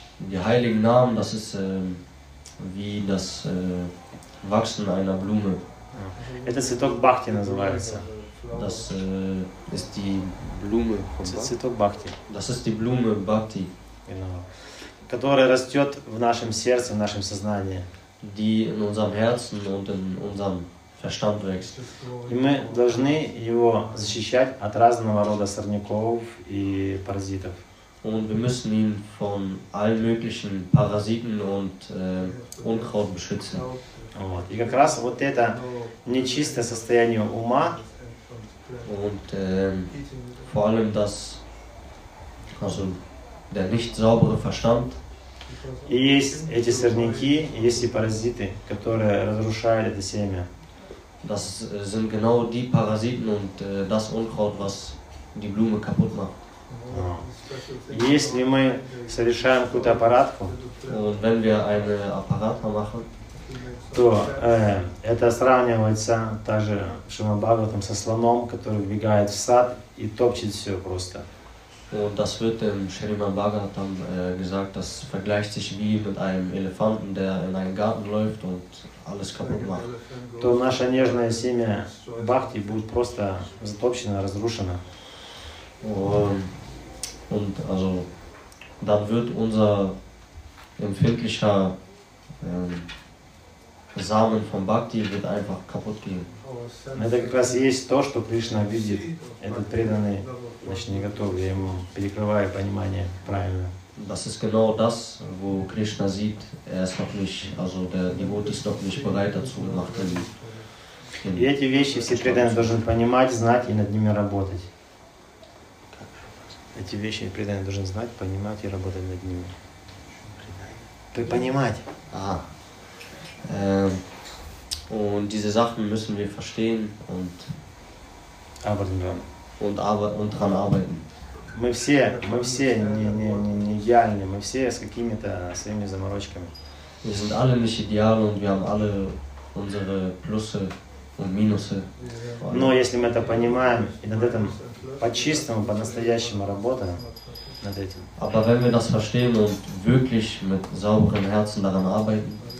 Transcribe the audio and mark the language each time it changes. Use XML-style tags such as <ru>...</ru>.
<de>Die heiligen Namen – das ist wie das Wachsen einer Blume.</de> <ru>Это цветок бахти называется.</ru> <de>Das ist die Blume von Bach.</de> <ru>Цветок бахти.</ru> <de>Das ist die Blume Bhakti. Genau.</de> <ru>Которая растет в нашем сердце, в нашем сознании.</ru> <de>Die in unserem Herzen und in unserem Verstand wächst.</de> <ru>И мы должны его защищать от разного рода сорняков и паразитов.</ru> <de>und wir müssen ihn von allen möglichen Parasiten und Unkraut beschützen.</de> <ru>Вот. И как раз вот это нечистое состояние ума</ru> <de>und vor allem das also der nicht saubere Verstand</de> <ru>и есть эти сорняки, есть и паразиты, которые разрушают это семя.</ru> <de>Das sind genau die Parasiten und das Unkraut, was die Blume kaputt macht. Ja.</de> <ru>Если мы совершаем какую-то аппаратку,</ru> <de>und wenn wir eine Apparata machen,</de> <ru>то это сравнивается также Шрима Бхагаватам со слоном, который вбегает в сад и топчет все просто.</ru> <de>Und das wird im Shrima Bhagavatam gesagt, das vergleicht sich wie mit einem Elefanten, der in einen Garten läuft und alles kaputt macht.</de> <ru>То наше нежное семя Бхакти будет просто затопчено, разрушено.</ru> <de>Und also dann wird unser empfindlicher Samen von Bhakti wird einfach kaputt gehen.</de> <ru>Это как раз есть то, что Кришна видит. Этот преданный, значит, не готов, я ему перекрываю понимание правильно.</ru> <de>Das ist genau das, wo Krishna sieht, er ist noch nicht, also der Devote ist noch nicht bereit dazu, macht er nicht.</de> <ru>И эти вещи все преданные должны понимать, знать и над ними работать. Эти вещи преданные должны знать, понимать и работать над ними. Понимать. Ага.</ru> <de>Und diese Sachen müssen wir verstehen und arbeiten dran. Und dran arbeiten.</de> <ru>Мы все не идеальны, мы все с какими-то своими заморочками.</ru> <de>Wir sind alle nicht ideal und wir haben alle unsere Plusse und Minusse.</de> <ru>Но если мы это понимаем и над этим по-чистому, по-настоящему работаем над этим.</ru> <de>Aber wenn wir das verstehen und wirklich mit sauberem Herzen daran arbeiten,</de>